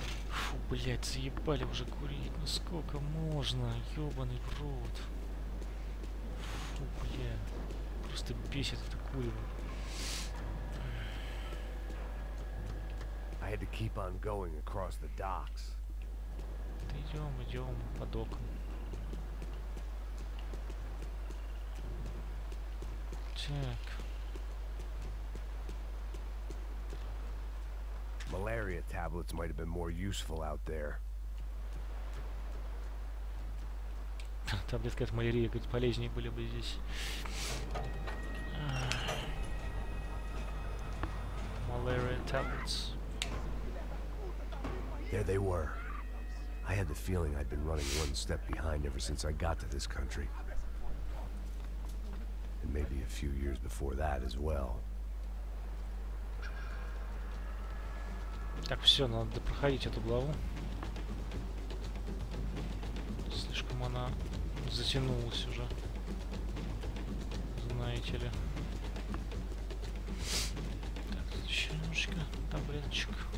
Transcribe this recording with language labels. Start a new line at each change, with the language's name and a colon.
Russian: Фу, блять, заебали уже курить. Ну сколько можно, ёбаный рот. Фу, блять, просто бесит это курево.
English: I had to keep on going across the docks.
Russian: Идем, идем по докам. Так.
English: Malaria tablets might have been more useful out there.
Russian: Таблетки от малярии, говорит, полезнее были бы здесь.
English: Malaria tablets. There they were. I had the feeling I'd been running one step behind ever since I got to this country. And maybe a few years before that as well.
Russian: Так, все, надо проходить эту главу. Слишком она затянулась уже. Знаете ли. Так, еще немножечко таблеточек.